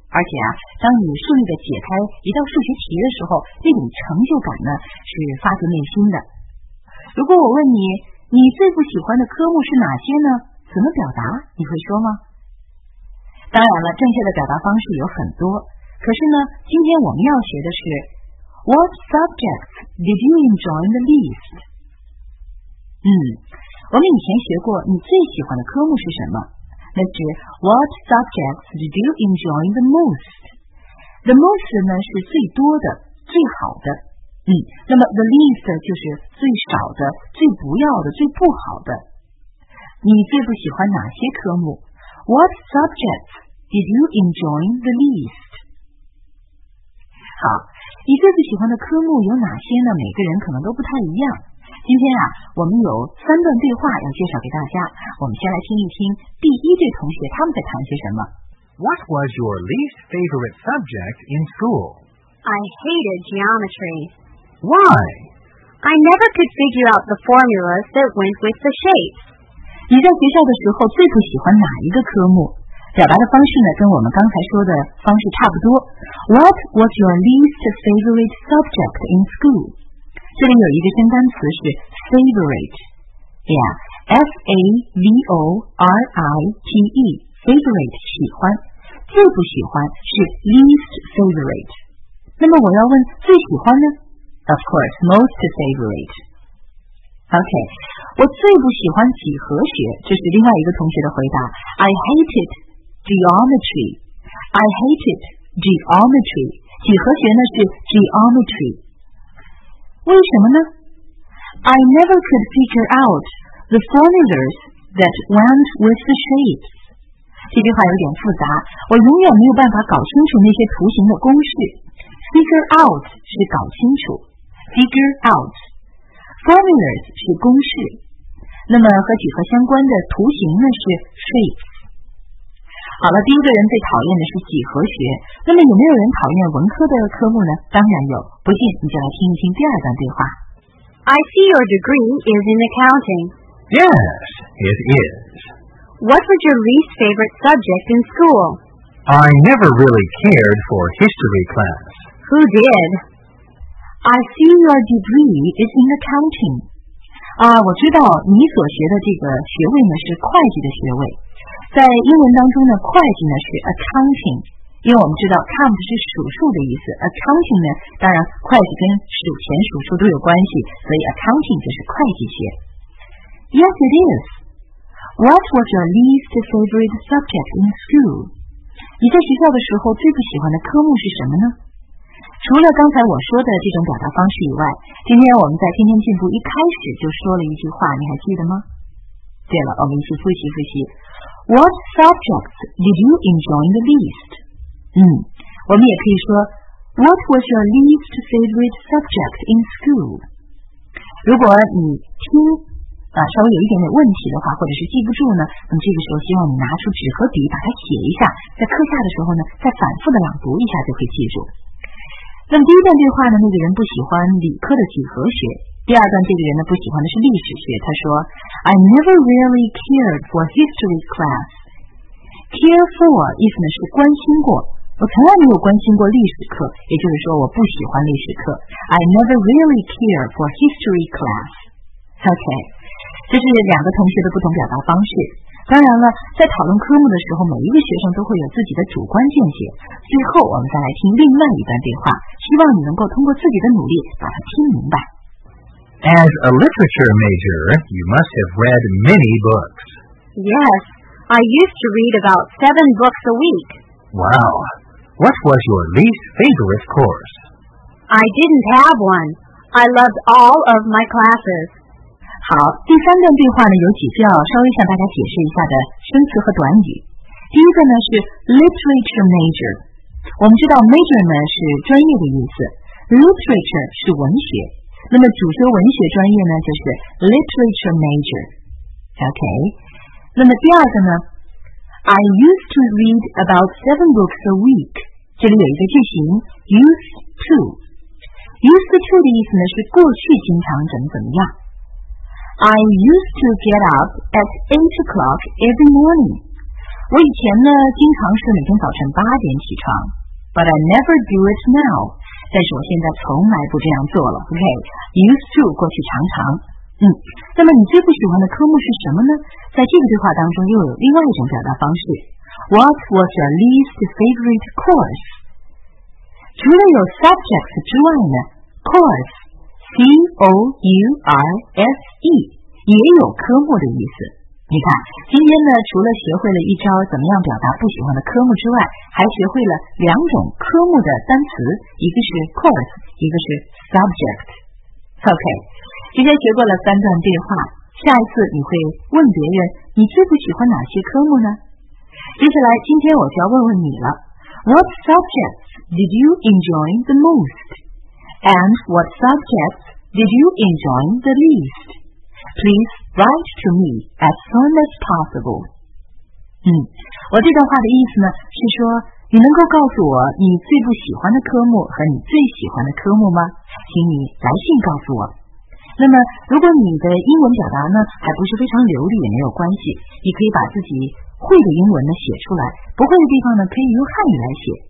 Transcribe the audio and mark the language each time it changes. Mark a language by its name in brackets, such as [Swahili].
[Chinese] 而且啊，当你顺利的解开一道数学题的时候，那种成就感呢，是发自内心的。如果我问你，你最不喜欢的科目是哪些呢？怎么表达？你会说吗？当然了，正确的表达方式有很多。可是呢，今天我们要学的是 [English] What subjects did you enjoy the least? [Chinese] 我们以前学过你最喜欢的科目是什么，那是 [English] What subjects did you enjoy the most? The most [Chinese] 呢是最多的最好的，那么 [English] the least [Chinese] 就是最少的最不要的最不好的。你最不喜欢哪些科目？ [English] What subjects did you enjoy the least? [Chinese] 好，你最不喜欢的科目有哪些呢？每个人可能都不太一样。今天啊，我们有三段对话要介绍给大家。我们先来听一听第一对同学他们在谈些什么。 [English] What was your least favorite subject in school? I hated geometry. Why? I never could figure out the formulas that went with the shapes. [Chinese] 你在学校的时候最不喜欢哪一个科目？表达的方式呢，跟我们刚才说的方式差不多。 [English] What was your least favorite subject in school? [Chinese] 这里有一个新单词是 favorite. [English] Yeah, F-A-V-O-R-I-T-E, favorite, [Chinese] 喜欢。最不喜欢是 least favorite. 那么我要问最喜欢呢？ [English] Of course, most favorite. [Chinese] OK, 我最不喜欢几何学，这是另外一个同学的回答。 [English] I hated geometry. I hated geometry. [Chinese] 几何学呢是 geometry. 为什么呢？ [English] I never could figure out the formulas that went with the shapes. [Chinese] 这句话有点复杂，我永远没有办法搞清楚那些图形的公式。 Figure out 是搞清楚。 [English] Figure out. [Chinese] Formulas 是公式，那么和几何相关的图形呢是 shapes。好了，第一个人最讨厌的是几何学，那么有没有人讨厌文科的科目呢？当然有，不信你就来听一听第二段对话。 [English] I see your degree is in accounting. Yes, it is. What was your least favorite subject in school? I never really cared for history class. Who did? I see your degree is in accounting. [Chinese] 啊，我知道你所学的这个学位呢是会计的学位。在英文当中呢，会计呢是 accounting， 因为我们知道 count 是数数的意思， accounting 呢，当然会计跟数钱数数都有关系，所以 accounting 就是会计学。 [English] Yes, it is. What was your least favorite subject in school? [Chinese] 你在学校的时候最不喜欢的科目是什么呢？除了刚才我说的这种表达方式以外，今天我们在天天进步一开始就说了一句话，你还记得吗？对了，我们一起复习复习。 [English] What subjects did you enjoy the least? [Chinese] 我们也可以说 [English] What was your least favorite subject in school? [Chinese] 如果你听稍微有一点点问题的话，或者是记不住呢，那么这个时候希望你拿出纸和笔把它写一下，在课下的时候呢再反复的朗读一下就可以记住。那么第一段对话呢，那个人不喜欢理科的几何学。第二段，这个人呢不喜欢的是历史学。他说 [English] ，I never really cared for history class. [Chinese] Care for 意思呢是关心过，我从来没有关心过历史课，也就是说我不喜欢历史课。 [English] I never really cared for history class. [Chinese] OK， 这是两个同学的不同表达方式。当然了，在讨论科目的时候，每一个学生都会有自己的主观见解。最后，我们再来听另外一段对话，希望你能够通过自己的努力把它听明白。 [English] As a literature major, you must have read many books. Yes, I used to read about 7 books a week. Wow, what was your least favorite course? I didn't have one. I loved all of my classes. [Chinese] 好，第三段对话呢有几句要稍微向大家解释一下的生词和短语。第一个呢是 literature major， 我们知道 major 呢是专业的意思， literature 是文学，那么主修文学专业呢就是 literature major。 OK， 那么第二个呢， [English] I used to read about 7 books a week， [Chinese] 这里有一个句型 used to 的意思呢是过去经常怎么怎么样。 [English] I used to get up at 8 o'clock every morning. [Chinese] 我以前呢，经常是每天早晨八点起床。 [English] But I never do it now. [Chinese] 但是我现在从来不这样做了。 Okay, used to 过去常常。那么你最不喜欢的科目是什么呢？在这个对话当中又有另外一种表达方式。 [English] What was your least favorite course? [Chinese] 除了有 subjects 之外呢 ，course。 C-O-U-R-S-E 也有科目的意思。你看，今天呢，除了学会了一招怎么样表达不喜欢的科目之外，还学会了两种科目的单词，一个是 course， 一个是 subject。 OK， 今天学过了三段对话，下一次你会问别人你最不喜欢哪些科目呢？接下来今天我就要问问你了， [English] What subjects did you enjoy the most?And what subjects did you enjoy the least? Please write to me as soon as possible. [Chinese] 我这段话的意思呢，是说你能够告诉我你最不喜欢的科目和你最喜欢的科目吗？请你来信告诉我。那么，如果你的英文表达呢还不是非常流利，也没有关系，你可以把自己会的英文呢写出来，不会的地方呢可以用汉语来写。